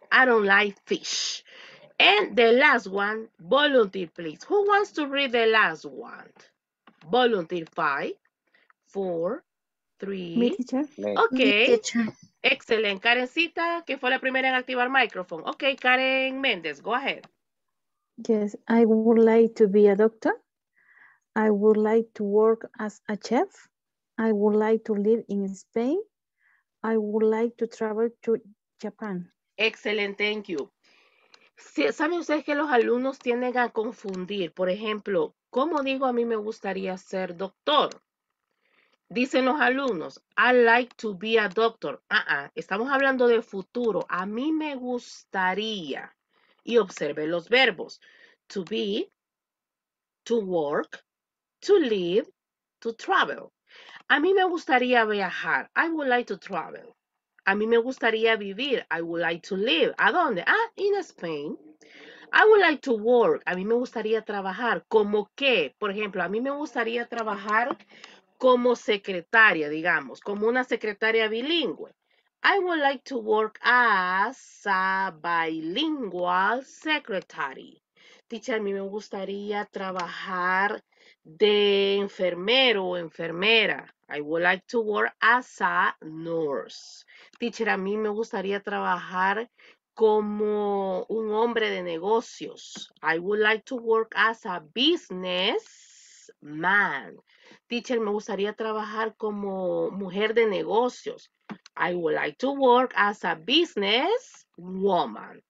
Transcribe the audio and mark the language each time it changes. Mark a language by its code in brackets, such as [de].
[en] I don't like fish. And the last one, volunteer, please. Who wants to read the last one? Volunteer 5, 4, 3. Me, teacher. Okay. Me, teacher. Excellent. [es] Karencita, que fue la primera en activar micrófono. [en] Okay, Karen Méndez, go ahead. Yes, I would like to be a doctor. I would like to work as a chef. I would like to live in Spain. I would like to travel to Japan. Excellent, thank you. [es] ¿Saben ustedes que los alumnos tienden a confundir? Por ejemplo, ¿cómo digo a mí me gustaría ser doctor? Dicen los alumnos, [en] I like to be a doctor. [es] Estamos hablando de futuro. A mí me gustaría. Y observe los verbos, [en] to be, to work, to live, to travel. [es] A mí me gustaría viajar, [en] I would like to travel. [es] A mí me gustaría vivir, [en] I would like to live. [es] ¿A dónde? [en] In Spain. I would like to work, [es] a mí me gustaría trabajar. ¿Cómo qué? Por ejemplo, a mí me gustaría trabajar como secretaria, digamos, como una secretaria bilingüe. [en] I would like to work as a bilingual secretary. [es] Teacher, a mí me gustaría trabajar de enfermero o enfermera. [en] I would like to work as a nurse. Teacher, [es] a mí me gustaría trabajar como un hombre de negocios. [en] I would like to work as a business man. [es] Teacher, me gustaría trabajar como mujer de negocios. [en] I would like to work as a business woman.